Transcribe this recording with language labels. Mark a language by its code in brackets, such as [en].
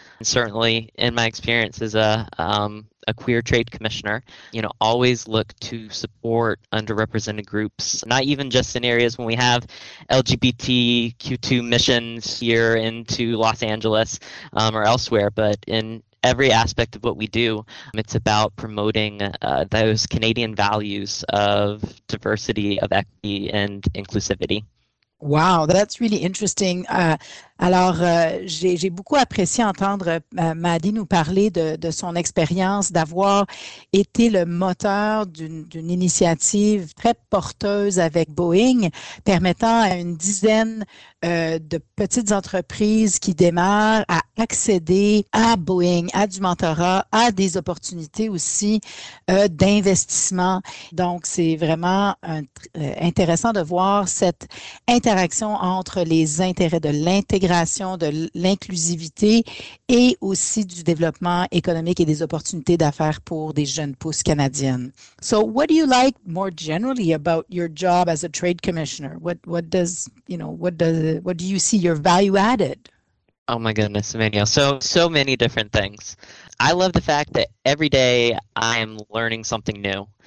[en] And certainly in my experience as a queer trade commissioner, you know, always look to support underrepresented groups, not even just in areas when we have LGBTQ2 missions here into Los Angeles or elsewhere, but in every aspect of what we do. It's about promoting those Canadian values of diversity, of equity, and inclusivity. Wow, that's really interesting. [fr] J'ai beaucoup apprécié entendre Maddy nous parler de son expérience d'avoir été le moteur d'une initiative très porteuse avec Boeing, permettant à une dizaine de petites entreprises qui démarrent à accéder à Boeing, à du mentorat, à des opportunités aussi d'investissement. Donc, c'est vraiment intéressant de voir cette interaction entre les intérêts de l'intégration, de l'inclusivité et aussi du développement économique et des opportunités d'affaires pour des jeunes pousses canadiennes. [en] So, what do you like more generally about your job as a trade commissioner? What do you see your value added? Oh my goodness, Emmanuel. So many different things. I love the fact that every day I am learning something new.